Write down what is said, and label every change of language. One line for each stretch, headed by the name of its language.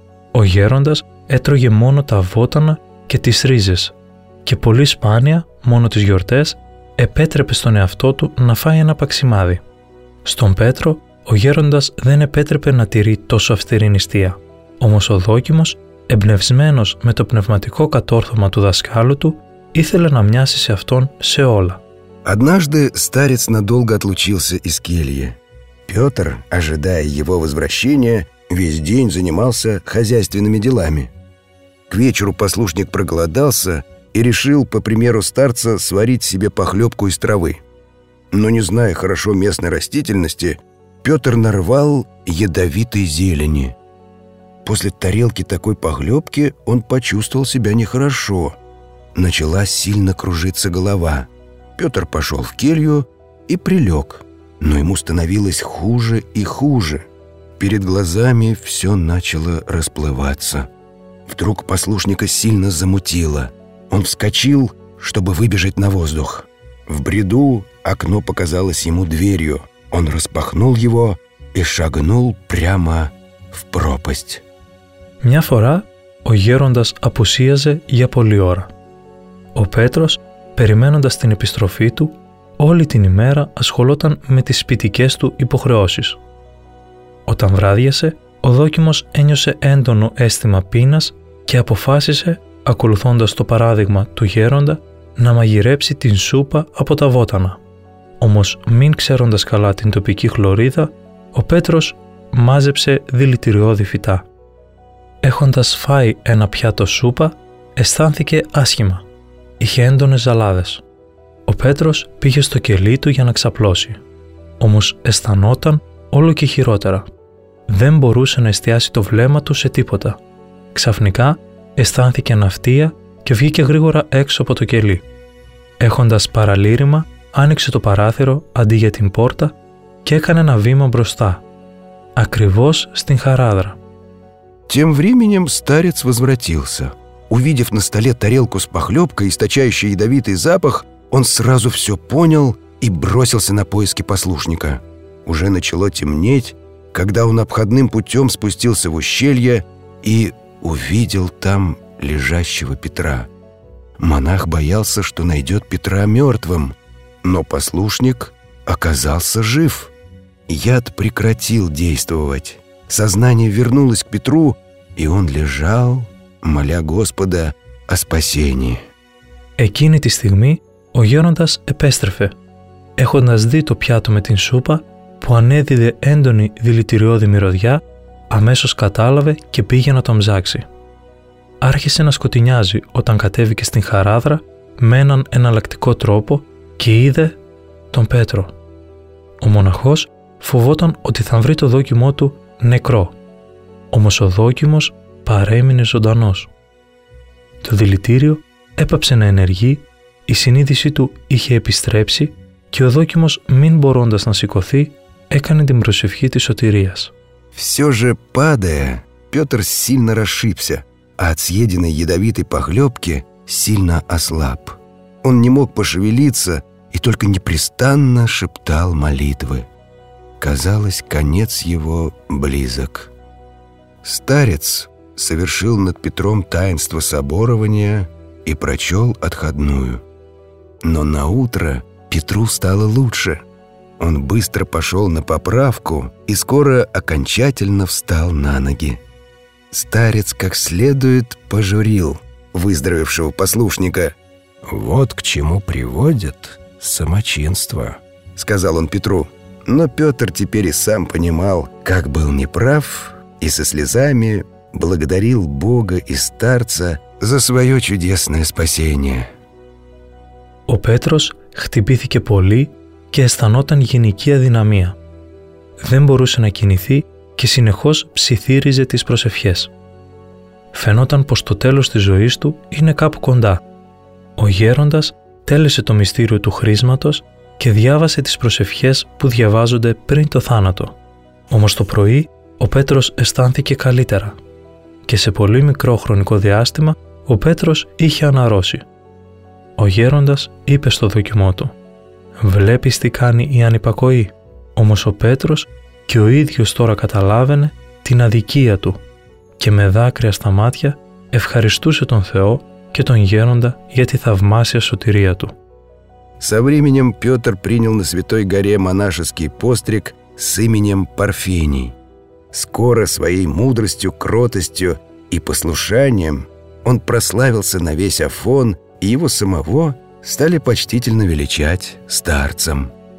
Greek: Ο γέροντας έτρωγε μόνο τα βότανα και τις ρίζες και πολύ σπάνια, μόνο τις γιορτές, επέτρεπε στον εαυτό του να φάει ένα παξιμάδι. Στον Πέτρο, ο γέροντας δεν επέτρεπε να τηρεί τόσο αυστηρή νηστεία. Όμως ο δόκιμος, εμπνευσμένος με το πνευματικό κατόρθωμα του δασκάλου του, ήθελε να μοιάσει σε αυτόν σε όλα.
Russian: Однажды старец надолго отлучился из кельи. Петр, ожидая его возвращения, весь день занимался хозяйственными делами. К вечеру послушник проголодался и решил, по примеру старца, сварить себе похлебку из травы. Но не зная хорошо местной растительности, Петр нарвал ядовитой зелени. После тарелки такой похлебки он почувствовал себя нехорошо. Начала сильно кружиться голова. Петр пошел в келью и прилег, но ему становилось хуже и хуже. Перед глазами все начало расплываться. Вдруг послушника сильно замутило. Он вскочил, чтобы выбежать на воздух. В бреду окно показалось ему дверью. Он распахнул его и шагнул прямо в пропасть.
Greek: Μια φορά ο γέροντας απουσίαζε για πολλή ώρα. Ο Πέτρος, περιμένοντας την επιστροφή του, όλη την ημέρα ασχολόταν με τις σπιτικές του υποχρεώσεις. Όταν βράδιασε, ο δόκιμος ένιωσε έντονο αίσθημα πείνας και αποφάσισε, ακολουθώντας το παράδειγμα του γέροντα, να μαγειρέψει την σούπα από τα βότανα. Όμως, μην ξέροντας καλά την τοπική χλωρίδα, ο Πέτρος μάζεψε δηλητηριώδη φυτά. Έχοντας φάει ένα πιάτο σούπα, αισθάνθηκε άσχημα. Είχε έντονες ζαλάδες. Ο Πέτρος πήγε στο κελί του για να ξαπλώσει. Όμως αισθανόταν όλο και χειρότερα. Δεν μπορούσε να εστιάσει το βλέμμα του σε τίποτα. Ξαφνικά αισθάνθηκε ναυτία και βγήκε γρήγορα έξω από το κελί. Έχοντας παραλήρημα, άνοιξε το παράθυρο αντί για την πόρτα και έκανε ένα βήμα μπροστά, ακριβώς στην χαράδρα.
Russian: Тем временем старец возвратился. Увидев на столе тарелку с похлебкой, источающей ядовитый запах, он сразу все понял и бросился на поиски послушника. Уже начало темнеть, когда он обходным путем спустился в ущелье и увидел там лежащего Петра. Монах боялся, что найдет Петра мертвым, но послушник оказался жив. Яд прекратил действовать. Сознание вернулось к Петру, и он лежал, моля Господа о спасении.
Greek: Εκείνη τη στιγμή ο γέροντας επέστρεφε. Έχοντας δει το πιάτο με την σούπα που ανέδιδε έντονη δηλητηριώδη μυρωδιά, αμέσως κατάλαβε και πήγε να τον ψάξει. Άρχισε να σκοτεινιάζει όταν κατέβηκε στην χαράδρα με έναν εναλλακτικό τρόπο και είδε τον Πέτρο. Ο μοναχός φοβόταν ότι θα βρει το δόκιμό του νεκρό. Όμως ο δόκιμος παρέμεινε ζωντανός. Το δηλητήριο έπαψε να ενεργεί, η συνείδησή του είχε επιστρέψει και ο δόκιμος, μην μπορώντας να σηκωθεί, έκανε την προσευχή της σωτηρίας.
Russian: Все же падая, Петр сильно расшибся, а от съеденной ядовитой похлебки сильно ослаб. Он не мог пошевелиться и только непрестанно шептал молитвы. Казалось, конец его близок. Старец совершил над Петром таинство соборования и прочел отходную. Но наутро Петру стало лучше. он быстро пошел на поправку и скоро окончательно встал на ноги. Старец как следует пожурил выздоровевшего послушника. «Вот к чему приводит самочинство», — сказал он Петру. Но Петр теперь и сам понимал, как был неправ, и со слезами благодарил Бога и старца за свое чудесное спасение.
Greek: О Петрос хтυπήθηκε πολύ και αισθανόταν γενική αδυναμία. Δεν μπορούσε να κινηθεί και συνεχώς ψιθύριζε τις προσευχές. Φαινόταν πως το τέλος της ζωής του είναι κάπου κοντά. Ο γέροντας τέλεσε το μυστήριο του χρίσματος και διάβασε τις προσευχές που διαβάζονται πριν το θάνατο. Όμως το πρωί ο Πέτρος αισθάνθηκε καλύτερα και σε πολύ μικρό χρονικό διάστημα ο Πέτρος είχε αναρρώσει. Ο γέροντας είπε στο δοκιμό του «Βλέπεις τι κάνει η ανυπακοή». Όμως ο Πέτρος και ο ίδιος τώρα καταλάβαινε την αδικία του και με δάκρυα στα μάτια ευχαριστούσε τον Θεό και τον γέροντα για τη θαυμάσια σωτηρία του.
Russian: Со временем Петр принял на Святой Горе монашеский постриг с именем Парфений. Скоро своей мудростью, кротостью и послушанием он прославился на весь Афон, и его самого стали почтительно величать старцем.